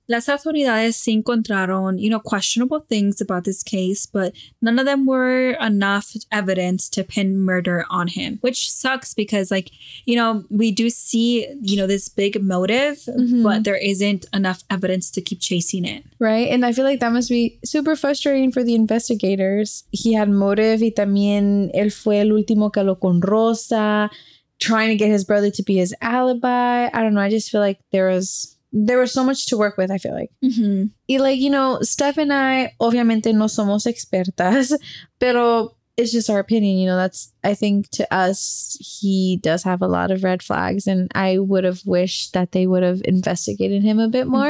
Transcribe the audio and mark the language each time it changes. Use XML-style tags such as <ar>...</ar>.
<es>Las autoridades se encontraron,</es> <en>you know, questionable things about this case, but none of them were enough evidence to pin murder on him, which sucks because, like, you know, we do see, you know, this big motive, but there isn't enough evidence to keep chasing it. Right. And I feel like that must be super frustrating for the investigators. He had motive</en> <es>y también él fue el último que habló con Rosa,</es> <en>trying to get his brother to be his alibi. I don't know. I just feel like there was so much to work with, I feel like. Mm-hmm. Like, you know, Steph and I,</en> <es>obviamente, no somos expertas, pero</es> <en>it's just our opinion. You know, that's, I think to us, he does have a lot of red flags. And I would have wished that they would have investigated him a bit more.</en>